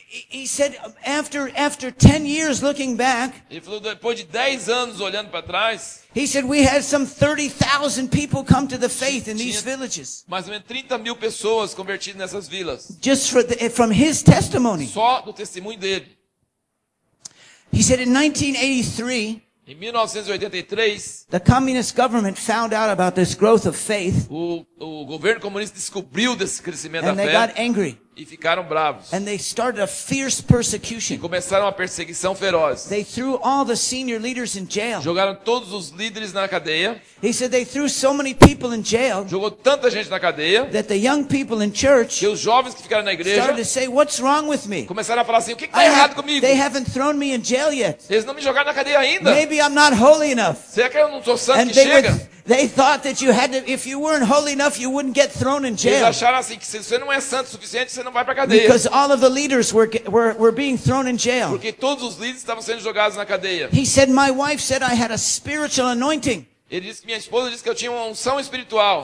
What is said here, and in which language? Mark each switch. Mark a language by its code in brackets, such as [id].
[en] He said after 10 years looking back. [pt] Ele falou, depois de 10 anos olhando para trás. [en] He said we had some 30,000 people come to the faith in these villages. [pt] Mais ou menos 30 mil pessoas convertidas nessas vilas. [en] Just from his testimony. [pt] Só do testemunho dele. [en] He said in 1983. [pt] Em 1983. [en] The communist government found out about this growth of faith. [pt] O governo comunista descobriu desse crescimento da fé. [en] And they got angry. [pt] E ficaram bravos. [en] And they started a fierce persecution. [pt] E começaram uma perseguição feroz. [en] They threw all the senior leaders in jail. [pt] Jogaram todos os líderes na cadeia. [en] He said they threw so many people in jail. [pt] Jogou tanta gente na cadeia. [en] That the young people in church. [pt] Que os jovens que ficaram na igreja. [en] Started to say, "What's wrong with me?" [pt] Começaram a falar assim, o que está errado comigo? [en] They haven't thrown me in jail yet. [pt] Eles não me jogaram na cadeia ainda. [en] Maybe I'm not holy enough. [pt] Será que eu não sou santo [en] and [pt] que chega? [en] They thought that you had to, if you weren't holy enough, you wouldn't get thrown in jail. [pt] Eles acharam assim que se você não é santo o suficiente, você não vai para cadeia. [en] Because all of the leaders were being thrown in jail. [pt] Porque todos os líderes estavam sendo jogados na cadeia. [en] He said, "My wife said I had a spiritual anointing." [pt] Ele disse que minha esposa disse que eu tinha uma unção espiritual.